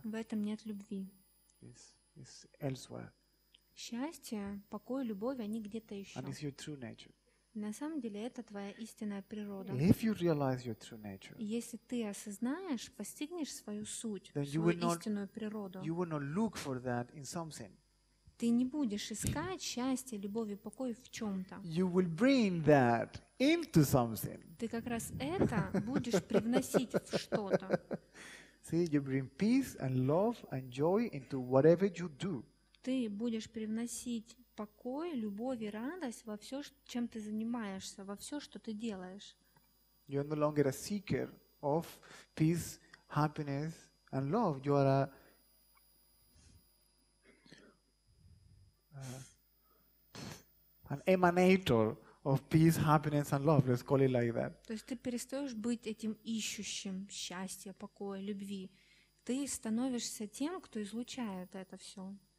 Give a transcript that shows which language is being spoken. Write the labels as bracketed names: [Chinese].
[Russian] В этом нет любви. [English] It's elsewhere. [Russian] Счастье, покой, любовь, они где-то еще. [English] And it's your true nature. [Russian] На самом деле это твоя истинная природа. [English] If you realize your true nature, [Russian] если ты осознаешь, постигнешь свою суть, then свою истинную природу, [English] you will not look for that in something. [Russian] Ты не будешь искать счастье, любовь и покой в чем-то. [English] You will bring that into something. [Russian] Ты как раз это будешь привносить в что-то. [English] See, you bring peace and love and joy into whatever you do. [Russian] Ты будешь привносить покой, любовь и радость во все, чем ты занимаешься, во все, что ты делаешь. [English] You are no longer a seeker of peace, happiness, and love. You are a an emanator of peace, happiness, and love. Let's call it like that. [Russian] То есть ты перестаешь быть этим ищущим счастья, покоя, любви. Ты становишься тем, кто излучает это все.